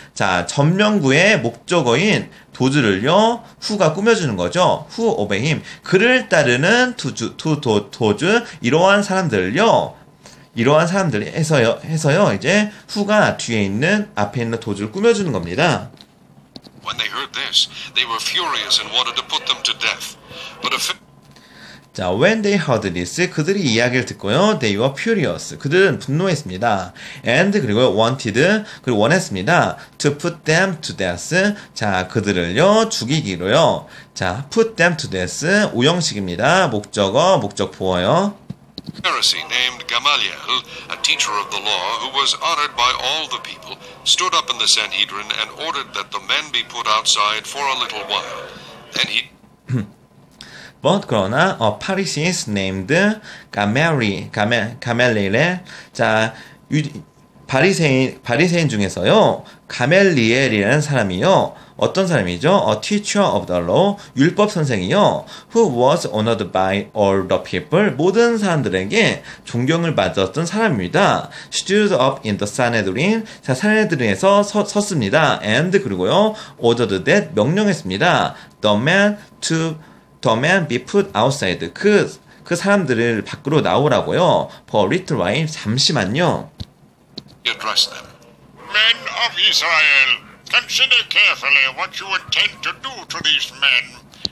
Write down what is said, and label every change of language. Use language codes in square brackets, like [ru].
[ko] 자, 전명구의 목적어인 도즈를요, who가 꾸며주는 거죠. [en] who obey him. [ko] 그를 따르는 도즈, 이러한 사람들을요, 이러한 사람들이 해서요, 이제 who가 뒤에 있는, 앞에 있는 도즈를 꾸며주는 겁니다. [en] When they heard this, they were furious and wanted to put them to death. But if... 자, when they heard this, [ko] 그들이 이야기를 듣고요, [en] they were furious. [ko] 그들은 분노했습니다. And, 그리고 [en] wanted, [ko] 그리고 원했습니다. [en] To put them to death. [ko] 자, 그들을요, 죽이기로요. 자, [en] put them to death. [ko] 오형식입니다. 목적어, 목적보어요. [en] A Pharisee named Gamaliel, a teacher of the law, who was honored by all the people, stood up in the Sanhedrin and ordered that the men be put outside for a little while. Then he... But [ko] 그러나 [en] a Pharisee named Gamaliel. [ko] 자, 바리새인 중에서요, 가멜리엘이라는 사람이요, 어떤 사람이죠? [en] A teacher of the law, [ko] 율법 선생이요, [en] who was honored by all the people, [ko] 모든 사람들에게 존경을 받았던 사람입니다. [en] Stood up in the Sanhedrin, 자, [ko] Sanhedrin에서 섰습니다. [en] And [ko] 그리고요, [en] ordered that, [ko] 명령했습니다. [en] The man be put outside. [ko] 그 사람들을 밖으로 나오라고요. [en] For a little while, [ko] 잠시만요. [en] Address them. Men of Israel, consider carefully what you intend to do to these men.